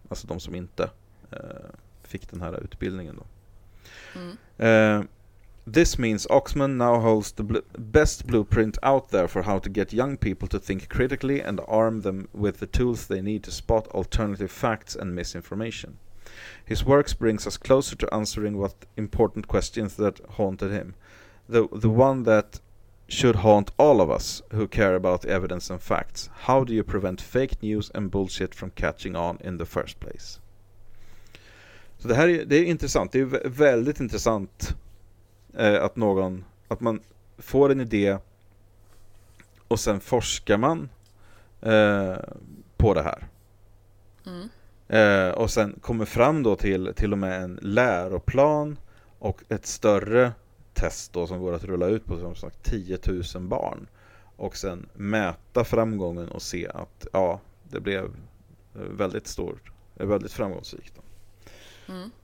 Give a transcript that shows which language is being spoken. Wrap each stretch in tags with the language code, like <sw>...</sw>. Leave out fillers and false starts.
<sv>Alltså de som inte fick den här utbildningen då.</sv> <en>This means Oxman now holds the best blueprint out there for how to get young people to think critically and arm them with the tools they need to spot alternative facts and misinformation. His works brings us closer to answering what important questions that haunted him. The one that should haunt all of us who care about evidence and facts. How do you prevent fake news and bullshit from catching on in the first place?</en> <sv>Så det här det är intressant. Det är väldigt intressant att någon, att man får en idé och sen forskar man på det här. Och sen kommer fram då till och med en läroplan och ett större test då som går att rulla ut på som sagt 10 000 barn och sen mäta framgången och se att ja, det blev väldigt stort, väldigt framgångsrikt. Mm.</sv>